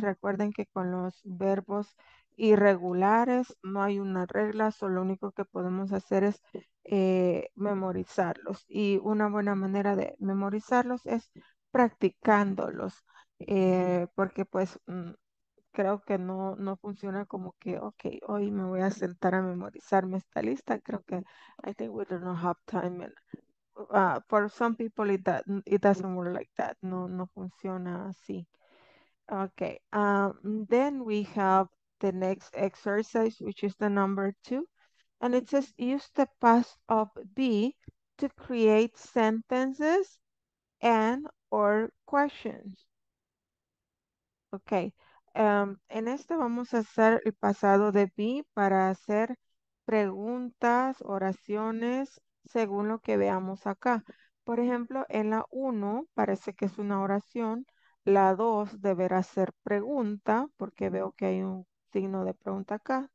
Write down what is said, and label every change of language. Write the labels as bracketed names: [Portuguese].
[Spanish] Recuerden que con los verbos irregulares no hay una regla, solo lo único que podemos hacer es memorizarlos. Y una buena manera de memorizarlos es practicándolos, porque pues creo que no funciona como que, ok, hoy me voy a sentar a memorizarme esta lista. Creo que, [English] I think we don't have time. And, for some people, it doesn't work like that. [Spanish] No funciona así. Okay. [English] Then we have the next exercise, which is the number two. And it says, use the past of be to create sentences and or questions. Okay. [Spanish] En este vamos a hacer el pasado de be para hacer preguntas, oraciones, según lo que veamos acá. Por ejemplo, en la 1 parece que es una oración. La 2 deberá ser pregunta, porque veo que hay un signo de pregunta acá.